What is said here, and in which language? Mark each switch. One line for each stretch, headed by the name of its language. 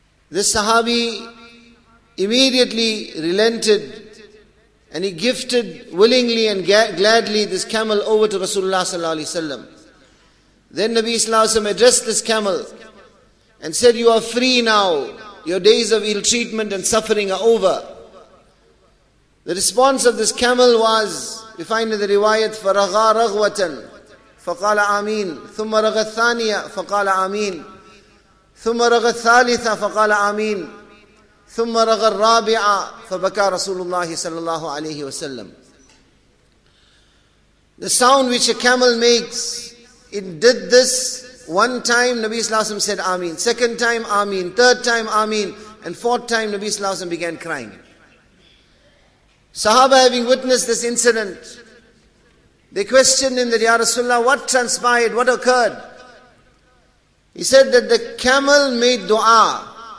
English: This Sahabi immediately relented and he gifted willingly and gladly this camel over to Rasulullah sallallahu alayhi wa sallam. Then Nabi sallallahu alayhi wa sallam addressed this camel and said, you are free now. Your days of ill treatment and suffering are over. The response of this camel was, we find in the riwayat,
Arabic: فَرَغَى رَغْوَةً فَقَالَ آمِينَ ثُمَّ رَغَى الثَّانِيَةً فَقَالَ آمِينَ ثُمَّ رَغَى الثَّالِثَةً فَقَالَ آمِينَ ثُمَّ رَغَى الرَّابِعَةً فَبَكَى رَسُولُ اللَّهِ صَلَى اللَّهُ عَلَيْهِ وَسَلَّمْ
English: The sound which a camel makes, it did this. One time Nabi Sallallahu Alaihi Wasallam said Ameen, second time Ameen, third time Ameen, and fourth time Nabi Sallallahu Alaihi Wasallam began crying. Sahaba having witnessed this incident, they questioned him that Ya Rasulullah, what transpired, what occurred? He said that the camel made dua,